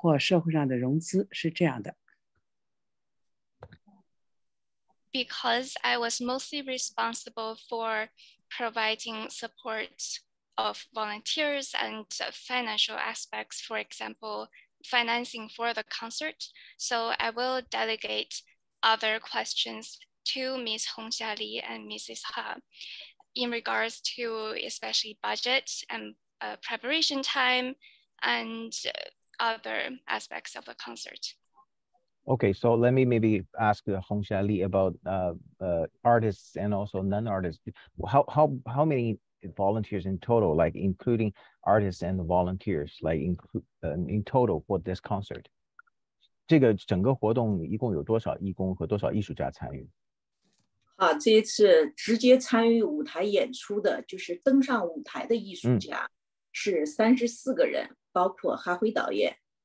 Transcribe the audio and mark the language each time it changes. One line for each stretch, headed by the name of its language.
Chinese: 我只是在这个初期，提供一些需要义工人员所做的一些事情，提供一些资金上的帮助，包括社会上的融资，是这样的。
English: Because I was mostly responsible for providing support of volunteers and financial aspects, for example, financing for the concert. So I will delegate other questions to Ms. Hongxia Li and Mrs. Ha in regards to especially budget and preparation time and other aspects of the concert. Okay, so let me maybe ask Hongxia Li about artists and also non-artists. How many volunteers in total, like including artists and volunteers, like in total for this concert.
Chinese: 这个整个活动一共有多少义工和多少艺术家参与？好，这一次直接参与舞台演出的，就是登上舞台的艺术家，是34个人，包括哈辉导演。